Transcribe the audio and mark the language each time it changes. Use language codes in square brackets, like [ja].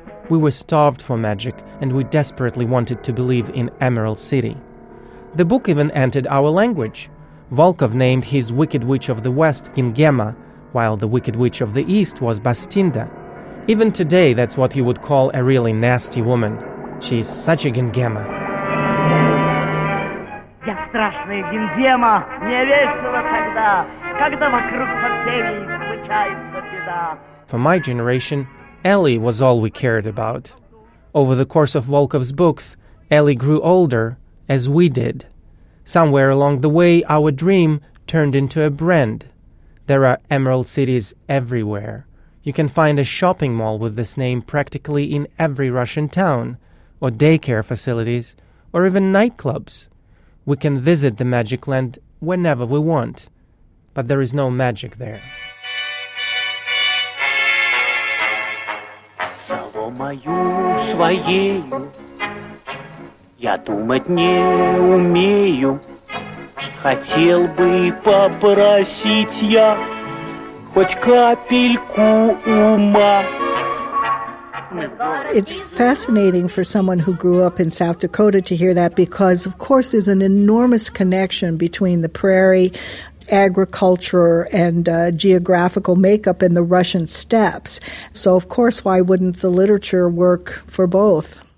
[en] We were starved for magic, and we desperately wanted to believe in Emerald City. The book even entered our language. Volkov named his Wicked Witch of the West Gingema, while the Wicked Witch of the East was Bastinda. Even today, that's what you would call a really nasty woman. She's such a Gingema. [ru] Я страшная Гингема, мне весело тогда, когда вокруг соседей случается беда. [en] For my generation, Ellie was all we cared about. Over the course of Volkov's books, Ellie grew older, as we did. Somewhere along the way, our dream turned into a brand. There are Emerald Cities everywhere. You can find a shopping mall with this name practically in every Russian town, or daycare facilities, or even nightclubs. We can visit the magic land whenever we want, but there is no magic there. [ru] Соломою своею я думать не умею. Хотел бы попросить я хоть капельку ума. [en] It's fascinating for someone who grew up in South Dakota to hear that because, of course, there's an enormous connection between the prairie, agriculture, and geographical makeup in the Russian steppes. So, of course, why wouldn't the literature work for both?